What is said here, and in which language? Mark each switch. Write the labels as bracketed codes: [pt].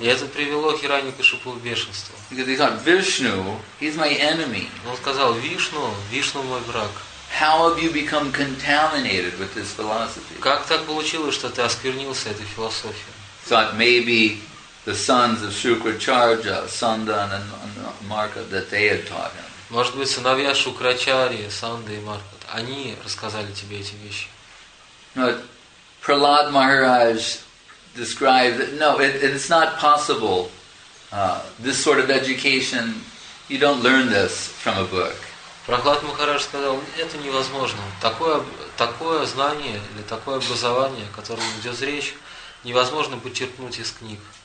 [ru] И это привело Хиранякашипу в бешенство. [en] Because he thought, Vishnu, he's my enemy. [ru] Он сказал: Вишну мой враг. [en] How have you become contaminated with this philosophy? [ru] Как так получилось, что ты осквернился этой философией? [en] Thought maybe the sons of Shukracharya, Sandan and Marka, that they had taught him. [ru] Может быть, сыновья Шукрачарьи, Санда и Марка, они рассказали тебе эти вещи. [en] But Prahlad Maharaj described that, no, it's not possible. This sort of education, you don't learn this from a book. [ru] Прохлад Махарадж сказал: это невозможно. Такое знание или такое образование, о котором идет речь, невозможно почерпнуть из книг.